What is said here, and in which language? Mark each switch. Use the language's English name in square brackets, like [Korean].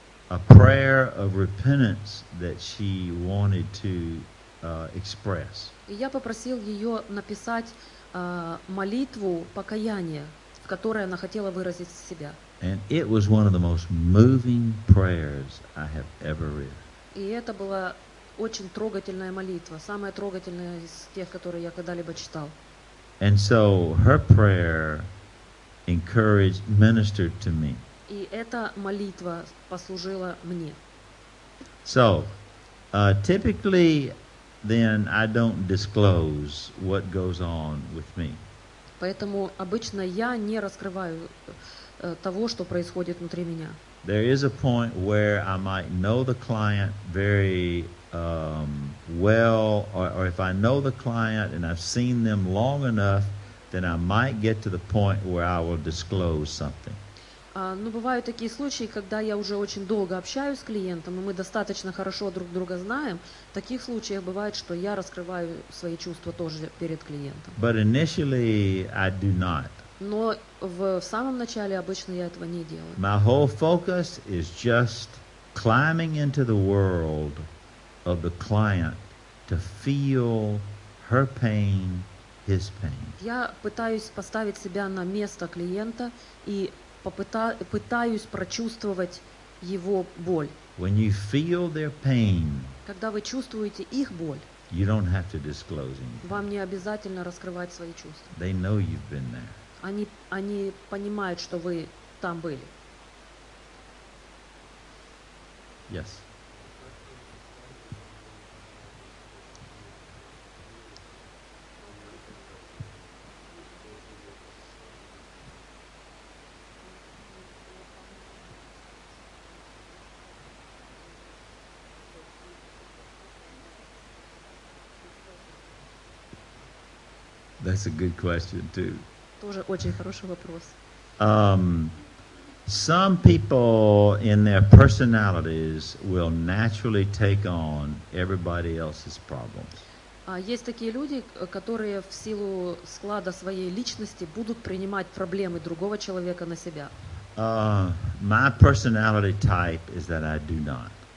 [English] a prayer of repentance that she wanted to express. [Russian] И я попросил её написать молитву покаяния, в которой она хотела выразить себя. [English] And it was one of the most moving prayers I have ever read. [Russian] И это была очень трогательная молитва, самая трогательная из тех, которые я когда-либо читал. [English] And so her prayer encouraged, ministered to me. [Russian] И эта молитва послужила мне. [English] So, typically, then I don't disclose what goes on with me. [Russian] Поэтому обычно я не раскрываю того, что происходит внутри меня. [English] There is a point where I might know the client very well, or if I know the client and I've seen them long enough, then I might get to the point where I will disclose something. [Russian] Ну, бывают такие случаи, когда я уже очень долго общаюсь с клиентом, и мы достаточно хорошо друг друга знаем. В таких случаях бывает, что я раскрываю свои чувства тоже перед клиентом. [English] But initially I do not. [Russian] Но в самом начале обычно я этого не делаю. [English] My whole focus is just climbing into the world of the client to feel her pain, his pain. [Russian] Я пытаюсь поставить себя на место клиента и пытаюсь прочувствовать его боль. [English] When you feel their pain, [Russian] когда вы чувствуете их боль, [English] you don't have to disclose anything. [Russian] Вам не обязательно раскрывать свои чувства. [English] They know you've been there. [Russian] Они понимают, что вы там были. [English] Yes. That's a good question too. [Russian] Тоже очень хороший вопрос. [English] Some people in their personalities will naturally take on everybody else's problems. [Russian] Есть такие люди, которые в силу склада своей личности будут принимать проблемы другого человека на себя. [English] My personality type is that I do not.